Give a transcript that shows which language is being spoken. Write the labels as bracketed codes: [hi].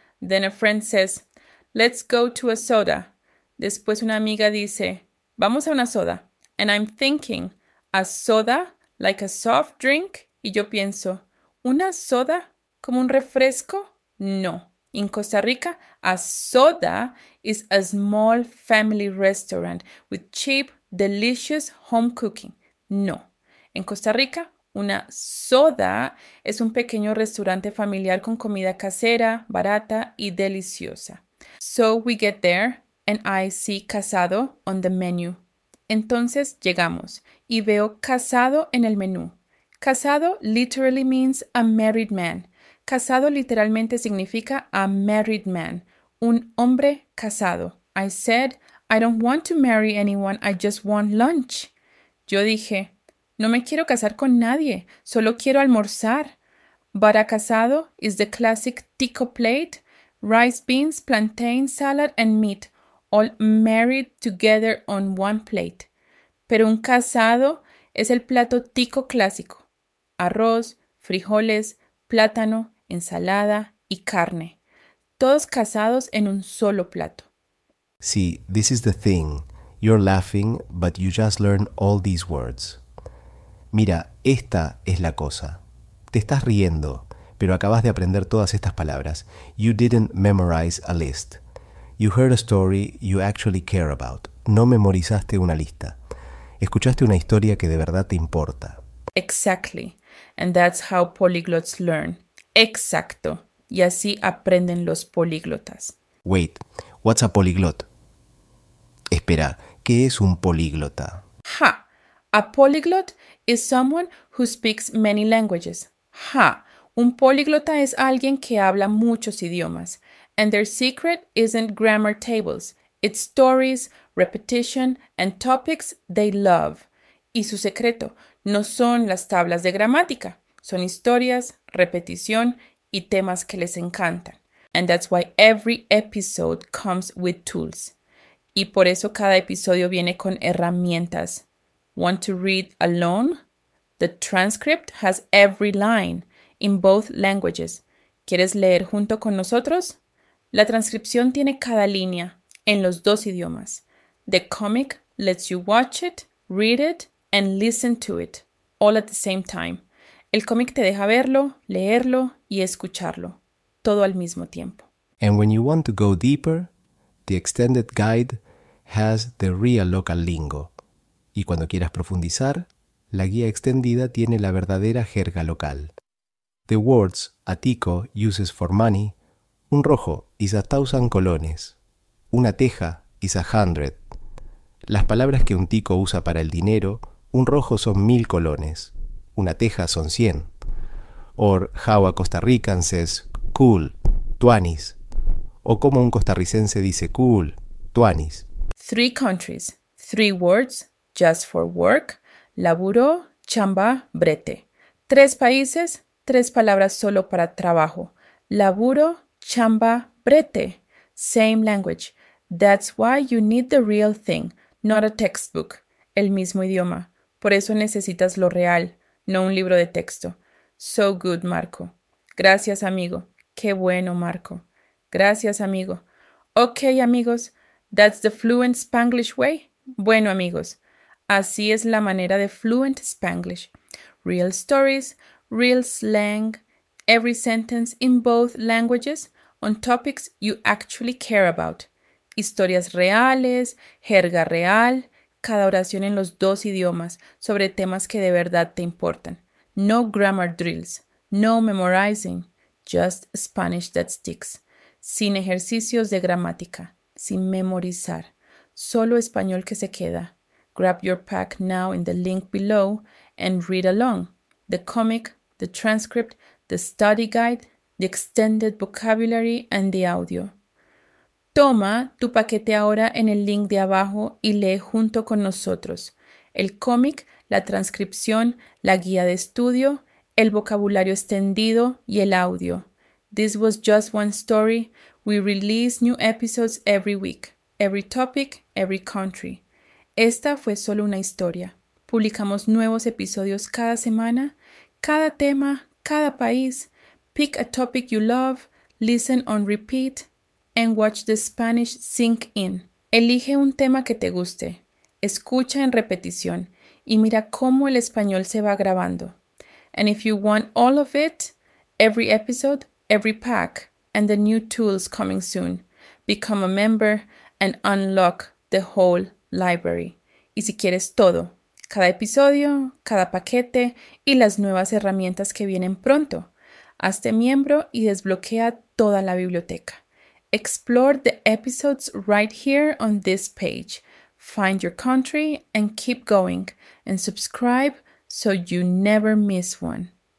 [en] Then a friend says, let's go to a soda. [es] Después una amiga dice, vamos a una soda. [en] And I'm thinking, a soda, like a soft drink. [es] Y yo pienso, ¿una soda como un refresco? [en] No. In Costa Rica, a soda is a small family restaurant with cheap, delicious home cooking. No. [es] En Costa Rica, una soda es un pequeño restaurante familiar con comida casera, barata y deliciosa. [en] So we get there and I see casado on the menu. [es] Entonces llegamos y veo casado en el menú. [en] Casado literally means a married man. [es] Casado literalmente significa [en] a married man, [es] un hombre casado. [en] I said, I don't want to marry anyone, I just want lunch. [es] Yo dije, no me quiero casar con nadie, solo quiero almorzar. [en] Para casado is the classic tico plate, rice, beans, plantain, salad and meat, all married together on one plate. [es] Pero un casado es el plato tico clásico. Arroz, frijoles, plátano, ensalada y carne. Todos casados en un solo plato. [en] See, this is the thing. You're laughing, but you just learned all these words. [es] Mira, esta es la cosa. Te estás riendo, pero acabas de aprender todas estas palabras. [en] You didn't memorize a list. You heard a story you actually care about. [es] No memorizaste una lista. Escuchaste una historia que de verdad te importa. [en] Exactly. And that's how polyglots learn. [es] Exacto. Y así aprenden los políglotas. [en] Wait, what's a polyglot? [es] Espera, ¿qué es un políglota? Ha! [en] A polyglot is someone who speaks many languages. Ha! [es] Un políglota es alguien que habla muchos idiomas. [en] And their secret isn't grammar tables. It's stories, repetition, and topics they love. [es] Y su secreto no son las tablas de gramática. Son historias, repetición y temas que les encantan. [en] And that's why every episode comes with tools. [es] Y por eso cada episodio viene con herramientas. [en] Want to read alone? The transcript has every line in both languages. [es] ¿Quieres leer junto con nosotros? La transcripción tiene cada línea en los dos idiomas. [en] The comic lets you watch it, read it, and listen to it all at the same time. [es] El cómic te deja verlo, leerlo y escucharlo, todo al mismo tiempo. [en] And when you want to go deeper, the extended guide has the real local lingo. [es] Y cuando quieras profundizar, la guía extendida tiene la verdadera jerga local. [en] The words a tico uses for money, un rojo is a 1,000 colones, una teja is 100. [es] Las palabras que un tico usa para el dinero, un rojo son 1,000 colones, una teja son 100. [en] Or how a Costa Rican says cool, 20s. [es] O como un costarricense dice cool, 20s. [en] 3 countries, 3 words, just for work, laburo, chamba, brete. [es] 3 países, tres palabras solo para trabajo. Laburo, chamba, brete. [en] Same language. That's why you need the real thing, not a textbook. [es] El mismo idioma. Por eso necesitas lo real, no un libro de texto. [en] So good, Marco. [es] Gracias, amigo. Qué bueno, Marco. Gracias, amigo. Okay, amigos. [en] That's the fluent Spanglish way. [es] Bueno, amigos. Así es la manera de fluent Spanglish. [en] Real stories, real slang, every sentence in both languages on topics you actually care about. [es] Historias reales, jerga real, cada oración en los dos idiomas sobre temas que de verdad te importan. [en] No grammar drills, no memorizing, just Spanish that sticks. [es] Sin ejercicios de gramática, sin memorizar, solo español que se queda. [en] Grab your pack now in the link below and read along. The comic, the transcript, the study guide, the extended vocabulary and the audio. [es] Toma tu paquete ahora en el link de abajo y lee junto con nosotros. El cómic, la transcripción, la guía de estudio, el vocabulario extendido y el audio. [en] This was just one story. We release new episodes every week, every topic, every country. [es] Esta fue solo una historia. Publicamos nuevos episodios cada semana, cada tema, cada país. [en] Pick a topic you love, listen on repeat, and watch the Spanish sink in. [es] Elige un tema que te guste, escucha en repetición y mira cómo el español se va grabando. [en] And if you want all of it, every episode, every pack, and the new tools coming soon, become a member and unlock the whole library. [es] Y si quieres todo, cada episodio, cada paquete y las nuevas herramientas que vienen pronto, hazte miembro y desbloquea toda la biblioteca. [en] Explore the episodes right here on this page. Find your country and keep going. And subscribe so you never miss one.